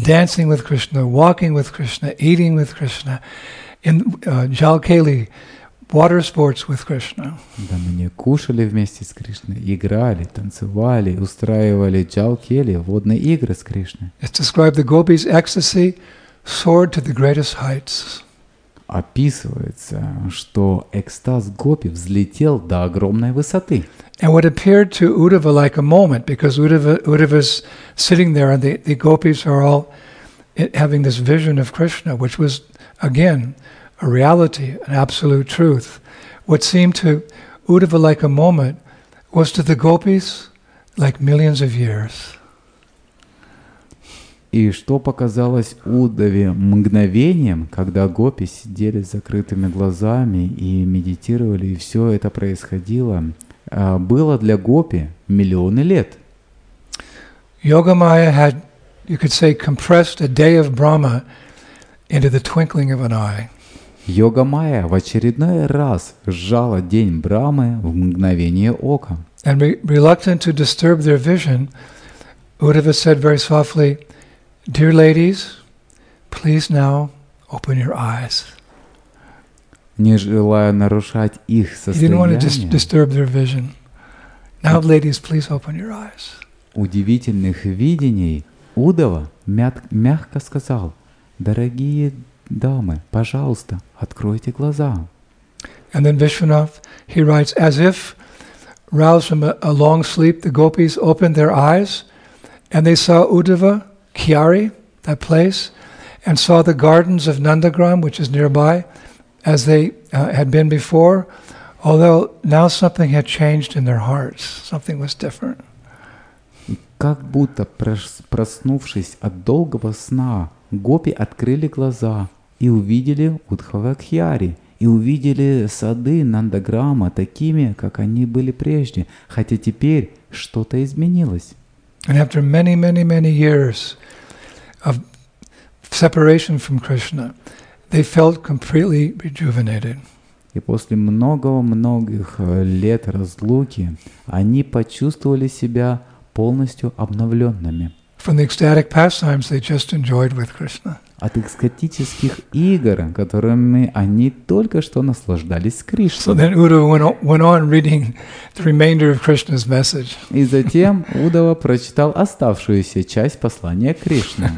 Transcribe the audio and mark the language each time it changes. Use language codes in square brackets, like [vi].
[en] Dancing with Krishna, walking with Krishna, eating with Krishna, in Jalkeli, water sports with Krishna. [ru] Да, мы кушали вместе с Кришной, играли, танцевали, устраивали Jalkeli, водные игры с Кришной. [en] It's described the gopis' ecstasy soared to the greatest heights. [ru] Описывается, что экстаз гопи взлетел до огромной высоты. [en] And what appeared to Uddhava like a moment, because Uddhava is sitting there, and the gopis are all having this vision of Krishna, which was again a reality, an absolute truth. What seemed to Uddhava like a moment was to the gopis like millions of years. [ru] И что показалось Уддаве мгновением, когда гопи сидели с закрытыми глазами и медитировали, и все это происходило, было для гопи миллионы лет. [en] Йогамая had, you could say, compressed a day of Brahma into the twinkling of an eye. [ru] Йогамая в очередной раз сжала день Брамы в мгновение ока. [en] And reluctant to disturb their vision, Uddhava said very softly, Dear ladies, please now open your eyes. [ru] Не желая нарушать их состояние. [en] He didn't want to disturb their vision. Now, ladies, please open your eyes. [ru] Удивительных видений Уддава мягко сказал: "Дорогие дамы, пожалуйста, откройте глаза." [en] And then Vishwanath, he writes, as if roused from a long sleep, the gopis opened their eyes, and they saw Uddhava. Kiari, that place, and saw the gardens of Nandagram, which is nearby, as they had been before, although now something had changed in their hearts, something was different. [ru] И как будто проснувшись от долгого сна, гопи открыли глаза и увидели Удхава Кьяри, и увидели сады Нандаграма такими, как они были прежде, хотя теперь что-то изменилось. [en] And after many, many, many years of separation from Krishna, they felt completely rejuvenated. [ru] И после многих лет разлуки они почувствовали себя полностью обновленными. [en] From the ecstatic pastimes they just enjoyed with Krishna. [ru] От экстатических игр, которыми они только что наслаждались с Кришной. [en] So then Uddhava went on reading the remainder of Krishna's message. [ru] И затем Уддава прочитал оставшуюся часть послания Кришны.